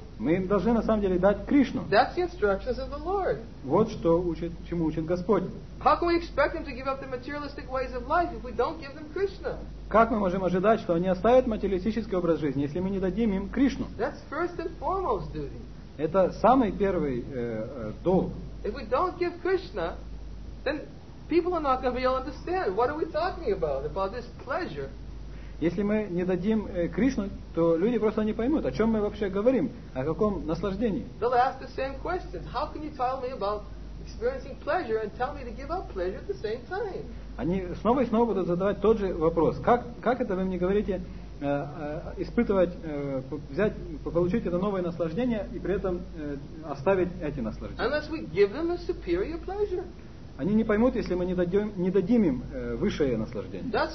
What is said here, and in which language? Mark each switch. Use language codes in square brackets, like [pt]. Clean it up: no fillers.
[ru] Мы им должны на самом деле дать Кришну. [en] That's the instructions of the Lord. [ru] Вот что учит, чему учит Господь. [en] How can we expect them to give up the materialistic ways of life if we don't give them Krishna? [ru] Как мы можем ожидать, что они оставят материалистический образ жизни, если мы не дадим им Кришну? [en] That's first and foremost duty. [ru] Это самый первый долг. [en] If we don't give Krishna, then people are not going to be able to understand what are we talking about this pleasure. [ru] Если мы не дадим Кришну, то люди просто не поймут, о чем мы вообще говорим, о каком наслаждении. [en] They'll ask the same questions. How can you tell me about experiencing pleasure and tell me to give up pleasure at the same time? [ru] Они снова и снова будут задавать тот же вопрос. Как это вы мне говорите, испытывать, взять, получить это новое наслаждение и при этом оставить эти наслаждения? [en] Unless we give them a superior pleasure. [ru] Они не поймут, если мы не дадим им высшее наслаждение.